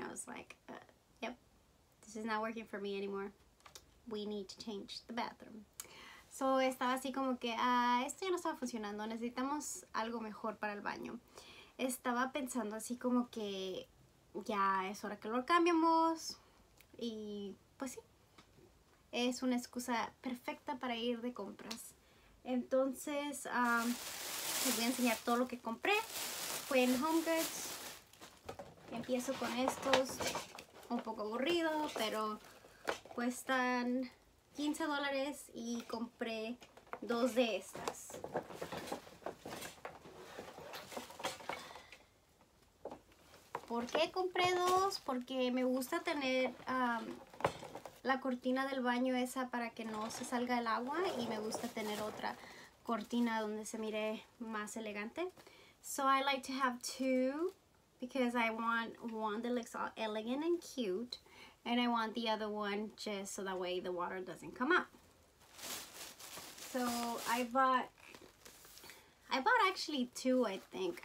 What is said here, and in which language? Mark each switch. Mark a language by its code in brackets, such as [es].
[en] I was like, yep, this is not working for me anymore. We need to change the bathroom. [es] So, estaba así como que, esto ya no estaba funcionando, necesitamos algo mejor para el baño. Estaba pensando así como que ya es hora que lo cambiamos. Y pues sí, es una excusa perfecta para ir de compras. Entonces, les voy a enseñar todo lo que compré. Fue en HomeGoods. Empiezo con estos, un poco aburrido, pero cuestan $15 y compré dos de estas. ¿Por qué compré dos? Porque me gusta tener la cortina del baño esa para que no se salga el agua, y me gusta tener otra cortina donde se mire más elegante. [en] So I like to have two because I want one that looks all elegant and cute. And I want the other one just so that way the water doesn't come up. So I bought actually two, I think.